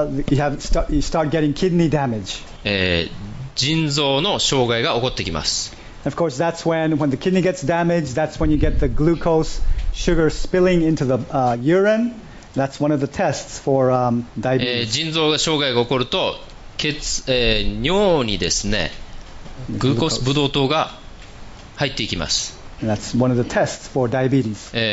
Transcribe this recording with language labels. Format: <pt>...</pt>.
<en>you start getting kidney damage.</en> <ja>腎臓の障害が起こってきます。</ja> <en>Of course, that's when the kidney gets damaged. That's when you get the glucose sugar spilling into the urine. That's one of the tests for diabetes.</en> <ja>腎臓が障害が起こると。尿にですね、グルコースブドウ糖が入っていきます。</ja> <en>That's one of the tests for diabetes.</en>